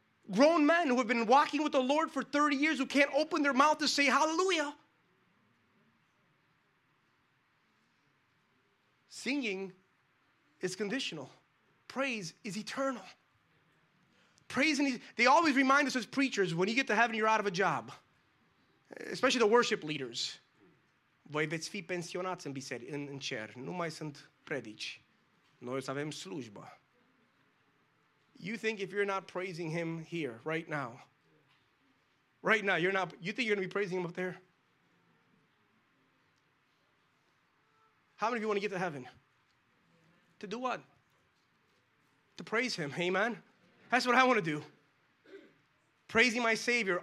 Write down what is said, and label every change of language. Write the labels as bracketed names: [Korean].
[English] Grown men who have been walking with the Lord for 30 years who can't open their mouth to say hallelujah. Singing is conditional. Praise is eternal. Praise, and they always remind us as preachers, when you get to heaven, you're out of a job. Especially the worship leaders. [Romanian] Voi veți fi pensionați în biserică, în cer. Nu mai sunt predici. Noi o să avem slujbă. [English] You think if you're not praising him here, right now, you're not, you think you're going to be praising him up there? How many of you want to get to heaven? To do what? To praise him, amen? That's what I want to do. Praising my Savior.